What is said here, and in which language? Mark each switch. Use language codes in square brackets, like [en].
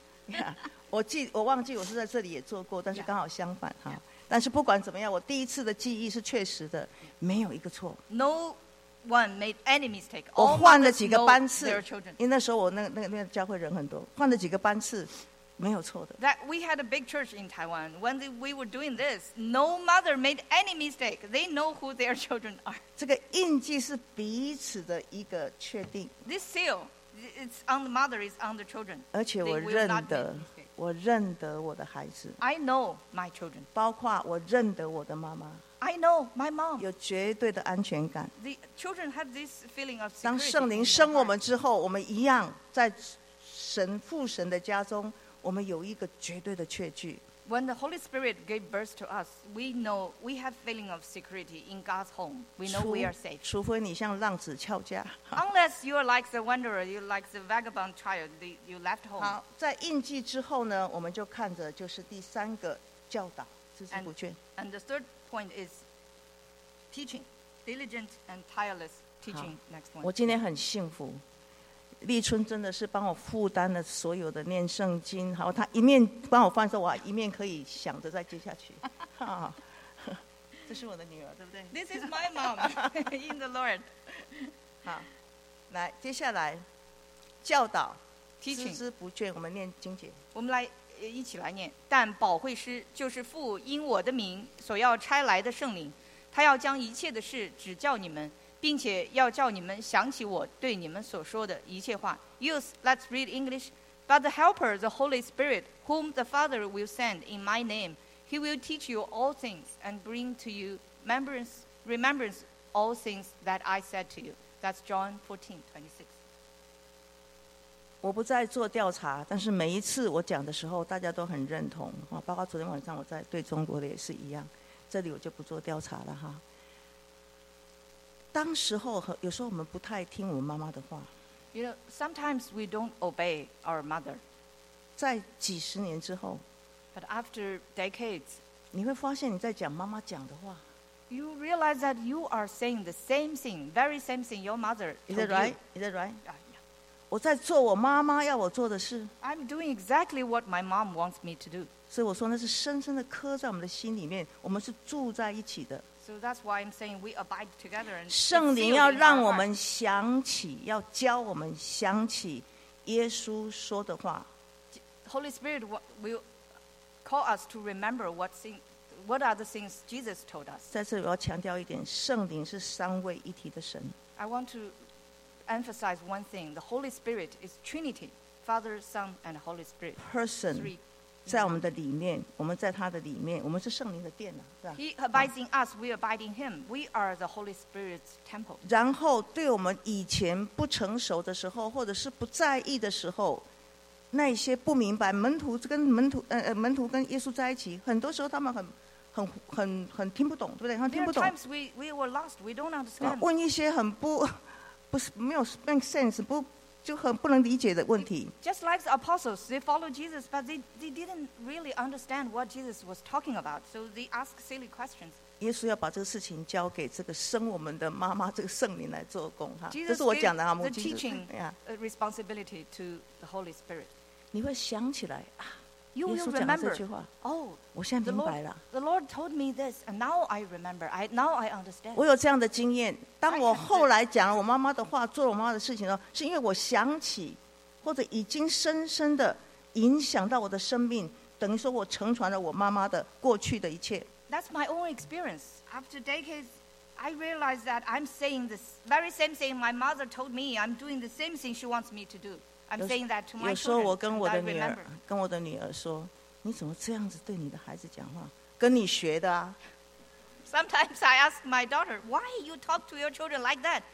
[zh] Yeah, 我忘记我是在这里也做过，但是刚好相反哈。 [en] Yeah. [zh] 但是不管怎么样，我第一次的记忆是确实的，没有一个错。 [en] No. One made any mistake. [zh] 我换了几个班次，因为那时候我那个教会人很多，换了几个班次，没有错的。 [en] That we had a big church in Taiwan. When we were doing this, no mother made any mistake. They know who their children are. [zh] 这个印记是彼此的一个确定。 [en] This seal, it's on the mother, it's on the children. [zh] 而且我认得我的孩子。 [en] I know my children. [zh] 包括我认得我的妈妈。 [en] I know my mom. [zh] 有绝对的安全感。 [en] The children have this feeling of security. [zh] 当圣灵生我们之后，我们一样在神父神的家中，我们有一个绝对的确据。 [en] When the Holy Spirit gave birth to us, we know we have feeling of security in God's home. We know we are safe. [zh] 除非你像浪子俏家。 [en] Unless you are like the wanderer, you like the vagabond child, you left home. [zh] 好，在印记之后呢，我们就看着就是第三个教导，孜孜不倦。 [en] And the third. Point is teaching, diligent and tireless teaching. Next one. [zh] 我今天很幸福，立春真的是帮我负担了所有的念圣经，好，他一面帮我放着，我一面可以想着再接下去。这是我的女儿，对不对 [en] ？This is my mom in the Lord。 [zh] 好，来，接下来教导 [en] ，teaching， [zh] 孜孜不倦，我们念经节。我们来一起来念。但保惠师就是父因我的名所要差来的圣灵，他要将一切的事指教你们，并且要叫你们想起我对你们所说的一切话。 [en] Youth, let's read English. But the Helper, the Holy Spirit, whom the Father will send in my name, he will teach you all things and bring to you remembrance all things that I said to you. That's John 14:26. [zh] 我不再做调查，但是每一次我讲的时候，大家都很认同。包括昨天晚上我在对中国的也是一样。这里我就不做调查了哈。当时候有时候我们不太听我们妈妈的话。 [en] You know, sometimes we don't obey our mother. [zh] 在几十年之后。 [en] But after decades. [zh] 你会发现你在讲妈妈讲的话。 [en] You realize that you are saying the same thing, very same thing your mother told you. Is that right? Is that right? Yeah. [zh] 我在做我妈妈要我做的事。 [en] I'm doing exactly what my mom wants me to do. [zh] 所以我说那是深深的刻在我们的心里面，我们是住在一起的。 [en] So that's why I'm saying we abide together. [zh] 圣灵要让我们想起，要教我们想起耶稣说的话。 [en] Holy Spirit will call us to remember what are the things Jesus told us. [zh] 在这里我要强调一点，圣灵是三位一体的神。 [en] I want to emphasize one thing: the Holy Spirit is Trinity, Father, Son, and Holy Spirit. Person. [zh] 在我们的里面，我们在他的里面，我们是圣灵的殿呐，是吧 [en] ？He abides in us, we abide in him. We are the Holy Spirit's temple. [zh] 然后，对我们以前不成熟的时候，或者是不在意的时候，那些不明白门徒跟耶稣在一起，很多时候他们很听不懂，对不对？他听不懂。 [en] There are times we were lost, we don't understand. [zh] 问一些很不是没有 [en] make sense [zh] 不。就很不能理解的问题。 [en] Just like the apostles, they followed Jesus, but they didn't really understand what Jesus was talking about, so they ask silly questions. [zh] 耶稣要把这个事情交给这个生我们的妈妈，这个圣灵来做工哈。 [en] Jesus、 [zh] 这是我讲的哈，母亲。 [en] The teaching responsibility to the Holy Spirit. [zh] 你会想起来啊， [en] you will [zh] 耶稣讲的这句话。 [en] Oh, [zh] 我现在明白了。 [en] The Lord told me this, and now I remember. Now I understand. [zh] 我有这样的经验。当我后来讲了我妈妈的话，做了我妈妈的事情的时候，是因为我想起，或者已经深深的影响到我的生命，等于说我承传了我妈妈的过去的一切。 [en] That's my own experience. After decades, I realized that I'm saying the very same thing my mother told me. I'm doing the same thing she wants me to do. I'm saying that to my children. [zh] 有时候我跟我的女儿说，你怎么这样子对你的孩子讲话？跟你学的啊。 [en] Sometimes I ask my daughter, why you talk to your children like that?